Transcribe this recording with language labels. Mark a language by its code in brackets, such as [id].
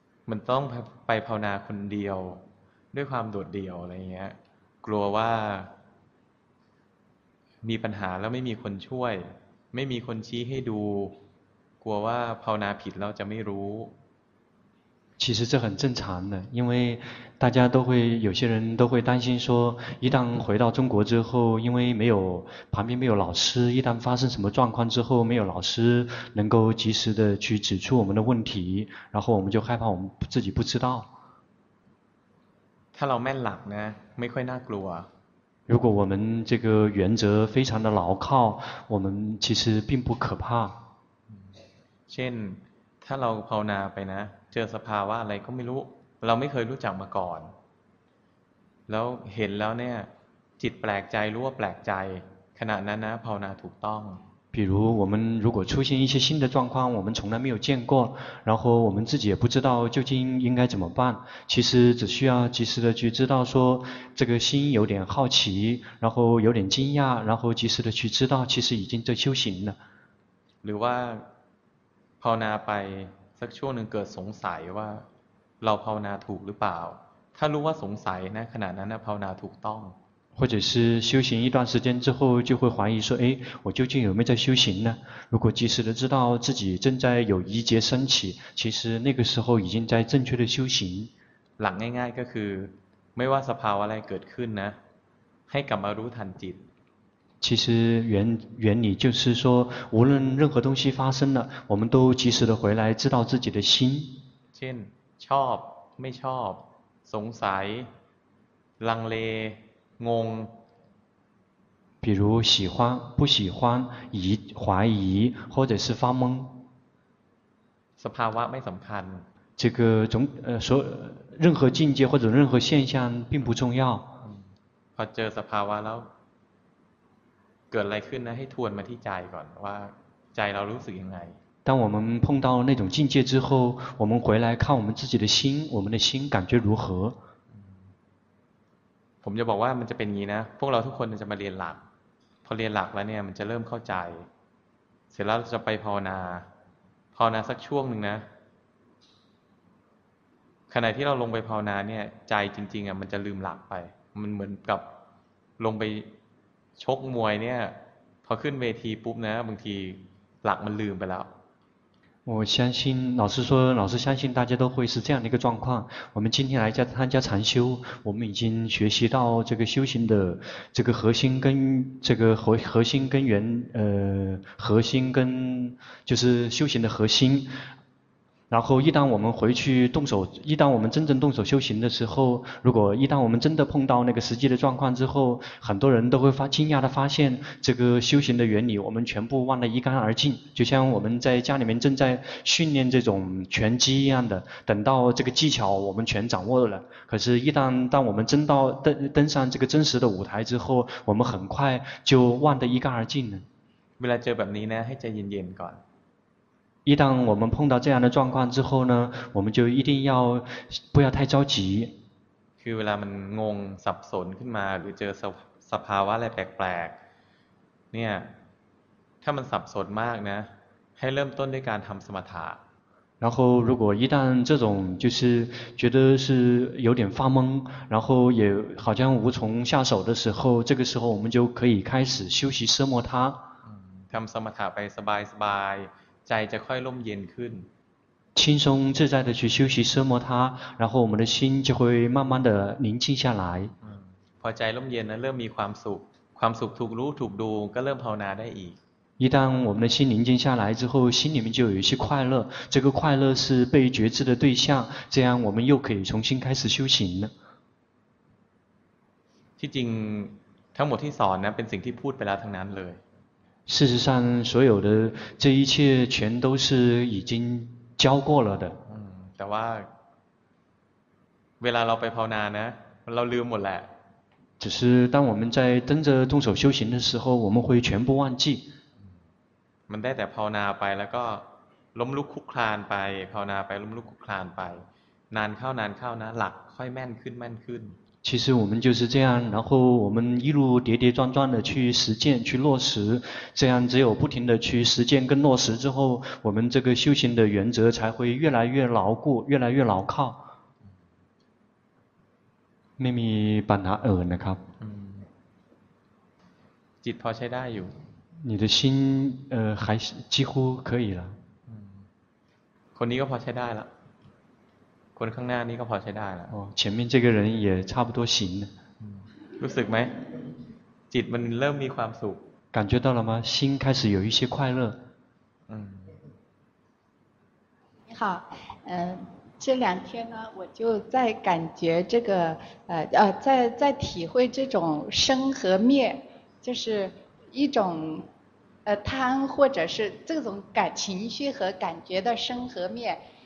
[th] มันต้องไปภาวนาคนเดียวด้วยความโดดเดี่ยวอะไรเงี้ยกลัวว่ามีปัญหาแล้วไม่มีคนช่วยไม่มีคนชี้ให้ดูกลัวว่าภาวนาผิดแล้วจะไม่รู้ [zh] 其实这很正常的，因为大家都会，有些人都会担心说，一旦回到中国之后，因为没有，旁边没有老师，一旦发生什么状况之后，没有老师能够及时的去指出我们的问题，然后我们就害怕我们自己不知道。 [th] ถ้าเราแม่นหลักนะไม่ค่อยน่ากลัว。 [zh] 如果我们这个原则非常的牢靠，我们其实并不可怕。 [th] เช่นถ้าเราภาวนาไปนะเจอสภาวะอะไรก็ไม่รู้เราไม่เคยรู้จักมาก่อนแล้วเห็นแล้วเนี่ยจิตแปลกใจรู้ว่าแปลกใจขณะนั้นนะภาวนาถูกต้อง [zh] 比如我们如果出现一些新的状况我们从来没有见过然后我们自己也不知道究竟应该怎么办其实只需要及时的去知道说这个心有点好奇然后有点惊讶然后及时的去知道其实已经在修行了 [th] หรือว่าภาวนาไปสักช่วงหนึ่งเกิดสงสัยว่าเราภาวนาถูกหรือเปล่าถ้ารู้ว่าสงสัยนะขณะนั้นภาวนาถูกต้อง [zh] 或者是修行一段时间之后就会怀疑说哎我究竟有没有在修行呢如果及时的知道自己正在有疑结升起其实那个时候已经在正确的修行 [th] หลักง่ายๆก็คือไม่ว่าสภาวะอะไรเกิดขึ้นนะให้กลับมารู้ทันจิต [zh] 其实 原理就是说无论任何东西发生了我们都及时的回来知道自己的心 [th] เช่นชอบไม่ชอบสงสัยลังเลงง [zh] 比如喜欢不喜欢疑怀疑或者是发懵 [th] สภาวะไม่สำคัญ [zh] 这个总所任何境界或者任何现象并不重要 [th] พอเจอสภาวะแล้วเกิดอะไรขึ้นนะให้ทวนมาที่ใจก่อนว่าใจเรารู้สึกยังไง [zh] 当我们碰到那种境界之后我们回来看我们自己的心我们的心感觉如何 [th] ผมจะบอกว่ามันจะเป็นงี้นะพวกเราทุกคนจะมาเรียนหลักพอเรียนหลักแล้วเนี่ยมันจะเริ่มเข้าใจเสร็จแล้วจะไปภาวนาภาวนาสักช่วงนึงนะขณะที่เราลงไปภาวนาเนี่ยใจจริงๆอ่ะมันจะลืมหลักไปมันเหมือนกับลงไปชกมวยเนี่ยพอขึ้นเวทีปุ๊บนะบางทีหลักมันลืมไปแล้ว [zh] 我相信老师说老师相信大家都会是这样的一个状况我们今天来参加禅修我们已经学习到这个修行的这个核心跟这个核心根源核心跟就是修行的核心然后一旦我们回去动手一旦我们真正动手修行的时候如果一旦我们真的碰到那个实际的状况之后很多人都会惊讶地发现这个修行的原理我们全部忘得一干二净就像我们在家里面正在训练这种拳击一样的等到这个技巧我们全掌握了可是一旦当我们真到 登上这个真实的舞台之后我们很快就忘得一干二净了为了这本领呢还在演演馆一旦我们碰到这样的状况之后呢我们就一定要不要太着急 [th] คือเวลามันงงสับสนขึ้นมาหรือเจอสภาวะอะไรแปลกๆเนี่ยถ้ามันสับสนมากนะให้เริ่มต้นด้วยการทำสมถะ [zh] 然后如果一旦这种就是觉得是有点发懵然后也好像无从下手的时候这个时候我们就可以开始休息奢摩他 [th] ทำสมถะไปสบายสบายใจจะค่อยร่มเย็นขึ้น [zh] 轻松自在的去休息奢摩他然后我们的心就会慢慢的宁静下来 [th] พอใจร่มเย็นนะเริ่มมีความสุขความสุขถูกรู้ถูกดูก็เริ่มภาวนาได้อีก [zh] 一旦我们的心宁静下来之后心里面就有一些快乐这个快乐是被觉知的对象这样我们又可以重新开始修行 [th] ที่จริงทั้งหมดที่สอนนะเป็นสิ่งที่พูดไปแล้วทั้งนั้นเลย [zh] 事实上所有的这一切全都是已经教过了的 [th] แต่ว่าเวลาเราไปภาวนานะเราลืมหมดแหละ [zh] 只是当我们在真正动手修行的时候我们会全部忘记 [th] มันได้แต่ภาวนาไปแล้วก็ล้มลุกคลุกคลานไปภาวนาไปล้มลุกคลุกคลานไปนานเข้านานเข้านะหลักค่อยแม่นขึ้นแม่นขึ้น [zh] 其实我们就是这样，然后我们一路跌跌撞撞的去实践去落实，这样只有不停的去实践跟落实之后，我们这个修行的原则才会越来越牢固，越来越牢靠。 [th] ไม่มีปัญหาอื่นนะครับ จิตพอใช้ได้อยู่ [zh] 你的心还几乎可以了 [th] คนนี้ก็พอใช้ได้ละคนข้างหน้านี้ก็พอใช้ได้ละ [zh] 前面这个人也差不多行 [th] รู้สึกไหมจิตมันเริ่มมีความสุข [zh] 感觉到了吗心开始有一些快乐你好这两天呢我就在感觉这个在体会这种生和灭就是一种贪或者是这种感情绪和感觉的生和灭